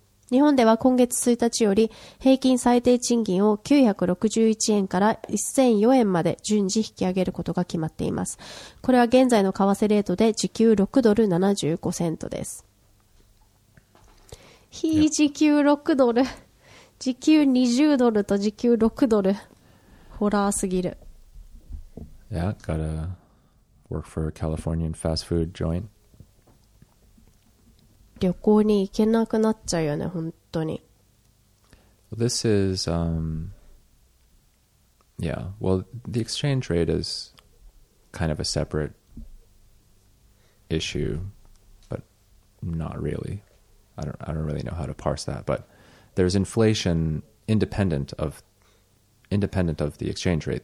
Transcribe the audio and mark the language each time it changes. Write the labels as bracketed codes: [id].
[ja] 日本では今月1日より平均最低賃金を961円から1004円まで順次引き上げることが決まっています。これは現在の為替レートで時給6ドル75セントです。非時給6ドル、時給20ドルと時給6ドル、ホラーすぎる。 [en] Yeah, gotta work for a Californian fast food joint. [ja] 旅行に行けなくなっちゃうよね、本当に。 [en] Well, this is, yeah. Well, the exchange rate is kind of a separate issue, but not really. I don't really know how to parse that. But there's inflation independent of the exchange rate.